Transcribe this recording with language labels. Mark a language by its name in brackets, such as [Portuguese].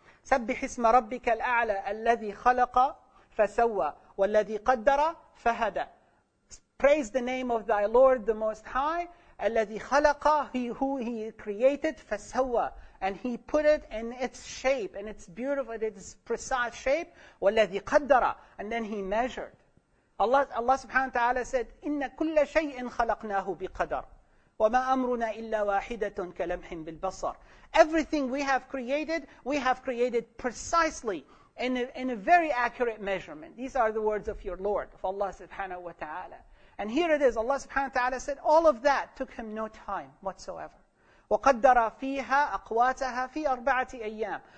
[Arabic] سَبِّحِ اسْمَ رَبِّكَ الْأَعْلَى الَّذِي خَلَقَ فَسَوَّى وَالَّذِي قَدَّرَ فَهَدَى. [English] Praise the name of thy Lord, the Most High, [Arabic] الَّذِي خَلَقَ, [English] who he created, [Arabic] فَسَوَّى, [English] and he put it in its shape, in its beautiful, in its precise shape, [Arabic] وَالَّذِي قَدَّرَ, [English] and then he measured. Allah subhanahu wa ta'ala said, [Arabic] إِنَّ كُلَّ شَيْءٍ خَلَقْنَاهُ بِقَدَرٍ وَمَا أَمْرُنَا إِلَّا وَاحِدَةٌ كَلَمْحٍ بِالْبَصَرِ. [English] Everything we have created precisely in a very accurate measurement. These are the words of your Lord, of Allah subhanahu wa ta'ala. And here it is, Allah subhanahu wa ta'ala said, all of that took him no time whatsoever. [Arabic] وَقَدَّرَ فِيهَا أَقْوَاتَهَا فِي أَرْبَعَةِ أَيَّامٍ.